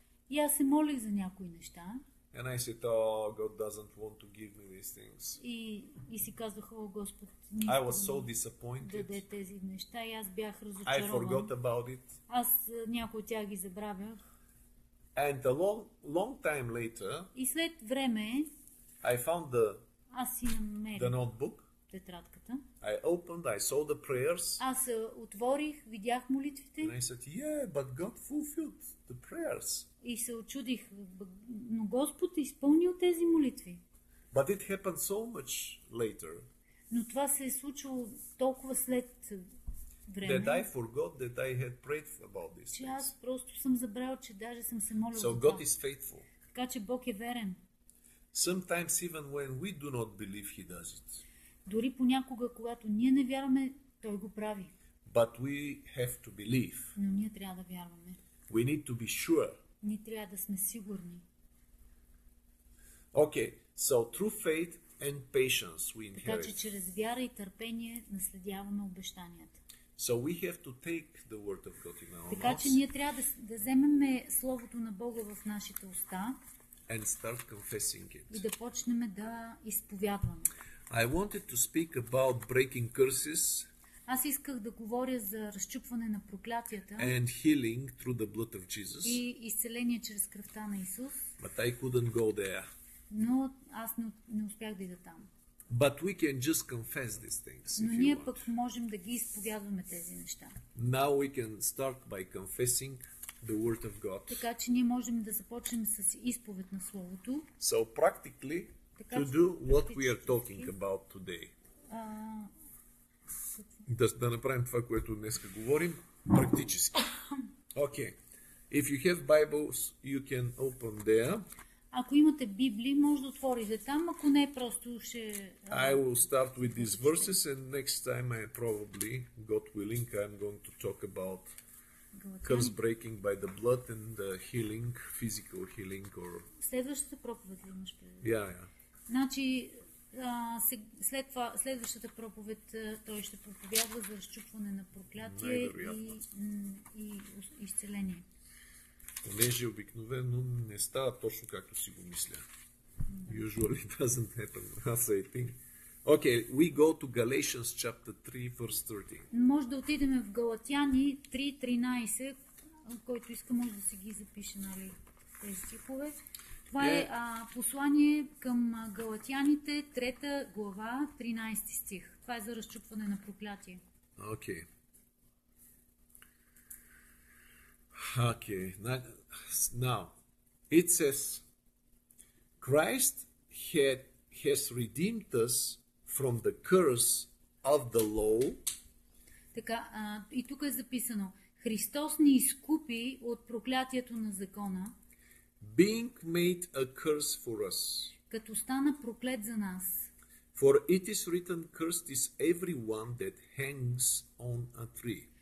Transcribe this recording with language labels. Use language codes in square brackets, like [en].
[bg] И аз се молих за някои неща. [en] And I said, oh, God doesn't want to give me these things. [bg] И си казвах, о, Господ, [en] I was so disappointed. [bg] Даде тези неща, и аз бях разочарован. [en] I forgot about it. [bg] Аз някои от тях ги забравях. [en] And a long, long time later, [bg] и след време, [en] I found the, [bg] аз си намерих [en] the notebook. [bg] Тетрадката. [en] I opened, I saw the prayers. [bg] Аз отворих, видях молитвите. [en] And I said, yeah, but God fulfilled the prayers. [bg] И се очудих, но Господ е изпълнил тези молитви. [en] But it happened so much later. [bg] Но това се е случило толкова след време. [en] That I forgot that I had prayed about this. [bg] Че аз просто съм забрал, че даже съм се молил. [en] So God is faithful. [bg] Така че Бог е верен. [en] Sometimes even when we do not believe, He does it. [bg] Дори понякога, когато ние не вярваме, Той го прави. [en] But we have to believe. [bg] Но ние трябва да вярваме. [en] We need to be sure. [bg] Ние трябва да сме сигурни. [en] Okay, so through faith and patience we inherit. [bg] Така че чрез вяра и търпение наследяваме обещанията. [en] So we have to take the word of God in our mouths. [bg] Така че ние трябва да вземем Словото на Бога в нашите уста. [en] And start confessing it. [bg] И да почнем да изповядваме. [en] I wanted to speak about breaking curses. [bg] Аз исках да говоря за разчупване на проклятията. [en] And healing through the blood of Jesus. [bg] И изцеление чрез кръвта на Исус. [en] But I couldn't go there. [bg] Но аз не успях да ида там. [en] But we can just confess these things. [bg] Но ние пък можем да ги изповядваме тези неща. [en] Now we can start by confessing the word of God. [bg] Така че ние можем да започнем с изповед на Словото. [en] So practically to do what we are talking about today. [bg] Да направим това, което днеска говорим практически. [en] Okay. If you have Bibles, you can open there. [bg] Ако имате Библии, може да отворите там, ако не, просто ще [en] I will start with these verses and next time I probably, God willing, I'm going to talk about curse breaking by the blood and the healing, physical healing or [bg] Следващата проповед имаш преди. [en] Yeah, yeah. [bg] Значи след това, следващата проповед той ще проповядва за разчупване на проклятие и изцеление. Понеже обикновено не става точно както си го мисля. [en] Да. Usually doesn't happen as I think. Okay, we go to Galatians chapter 3 verse 13. [bg] Може да отидем в Галатяни 3:13, който иска може да си ги запише, нали, тези стихове. Това е послание към Галатяните, 3 глава, 13 стих. Това е за разчупване на проклятие. Окей. [en] Okay. Now, it says, Christ has redeemed us from the curse of the law. [bg] Така, и тук е записано, Христос ни изкупи от проклятието на закона. [en] Being made a curse for us. [bg] Като стана проклет за нас. [en] For it is written, cursed is everyone that hangs on a tree.